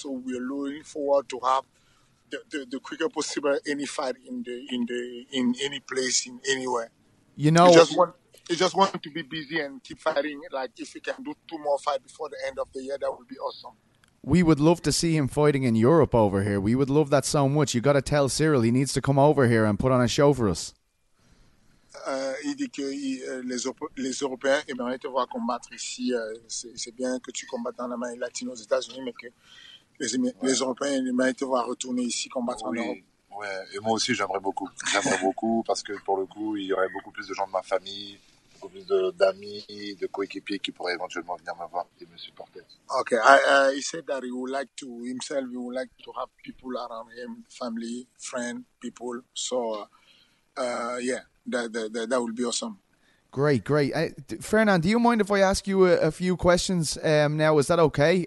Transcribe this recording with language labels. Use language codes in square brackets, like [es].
[en] So we're looking forward to have the quicker possible any fight in any place in anywhere. You know, we just want to be busy and keep fighting. Like if we can do 2 more fights before the end of the year, that would be awesome. We would love to see him fighting in Europe over here. We would love that so much. You got to tell Cyril he needs to come over here and put on a show for us. [fr] Il dit que les Européens aimeraient te voir combattre ici. C'est bien que tu combattes dans la main latine aux États-Unis, mais que les Européens aimeraient te voir retourner ici combattre en Europe. Ouais. Et moi aussi, j'aimerais beaucoup. J'aimerais beaucoup parce que pour le coup, il y aurait beaucoup plus de gens de ma famille, beaucoup plus d'amis, de coéquipiers qui pourraient éventuellement venir me voir et me supporter. Ok. [en] He said that he would like to have people around him, family, friends, people. So, yeah. That would be awesome. Great. Fernand, do you mind if I ask you a few questions now? Is that okay?